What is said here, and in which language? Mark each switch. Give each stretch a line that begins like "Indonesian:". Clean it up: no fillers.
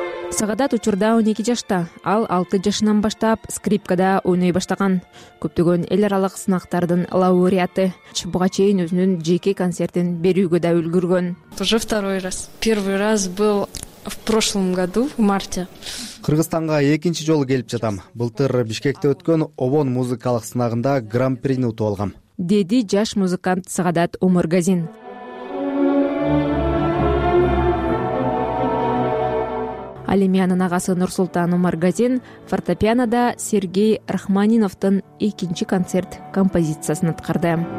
Kyrgyz: Сагадат учурда 12 жашта, ал 6 жашынан баштап скрипкада ойной баштаган. Көптөгөн эл аралык сынактардын лауреаты. Буга чейин өзүнүн жеке концертин берүүгө да үлгүргөн.
Russian: Уже второй раз. Первый раз был в прошлом году, в марте.
Kyrgyz: Кыргызстанга экинчи жолу келип жатам. Былтыр Бишкекте өткөн Обон музыкалык сынагында гран-прини утуп алгам. Деди жаш музыкант Сагадат Омургазин. Ал эми анын агасы Нурсултан Омургазин фортепианода Сергей Рахманиновдун экинчи концерт композициясын аткарды.